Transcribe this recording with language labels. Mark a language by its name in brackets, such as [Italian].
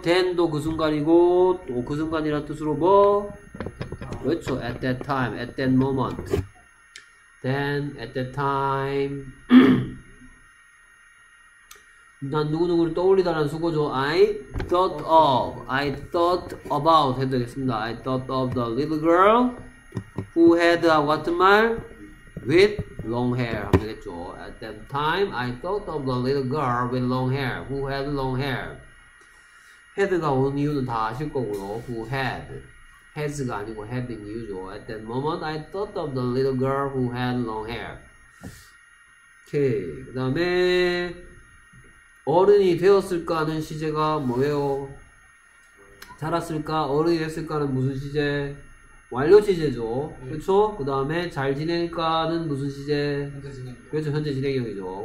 [Korean] then도 그 순간이고, 또 그 순간이라는 뜻으로 뭐? 그렇죠. [English] at that time, at that moment. then, at that time. [Korean] 난 누구누구를 떠올리다라는 수고죠. [English] I thought about [Korean] 해도 되겠습니다. [English] I thought of the little girl who had a [Korean] 같은 말 [English] with long hair [Korean] 하면 되겠죠. [English] At that time I thought of the little girl with long hair who had long hair. [Korean] had가 온 이유는 다 아실 거고요. [English] who had has [Korean] 가 아니고 had인 이유죠. [English] At that moment I thought of the little girl who had long hair. [Korean] 오케이. 그 다음에 어른이 되었을까 하는 시제가 뭐예요? 자랐을까? 어른이 됐을까는 무슨 시제? 완료 시제죠. 네. 그쵸? 그 다음에 잘 지낼까는 무슨 시제? 현재 진행. 그렇죠. 현재 진행형이죠.